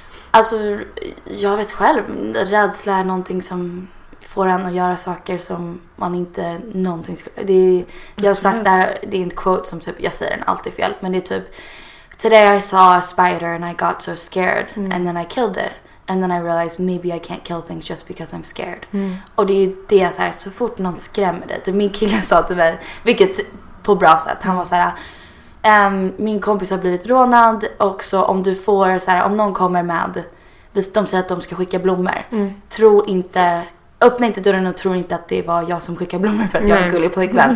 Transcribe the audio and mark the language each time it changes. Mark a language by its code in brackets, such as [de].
[sv] Alltså, jag vet själv, rädsla är någonting som får en att göra saker som man inte någonting skulle... Det är, jag har sagt det här, det är en quote som typ, jag säger den alltid fel, men det är typ: [en] "Today I saw a spider and I got so scared, [sv] mm. [en] and then I killed it. And then I realized maybe I can't kill things just because I'm scared." Mm. [sv] Och det är det jag säger, så fort någon skrämmer dig. Min kille sa till mig, vilket på bra sätt, han var så här: min kompis har blivit rånad, och så om du får så här, om någon kommer med, de säger att de ska skicka blommor, mm. tro inte, öppna inte dörren och tro inte att det var jag som skickade blommor för att jag är gullig pojkvän.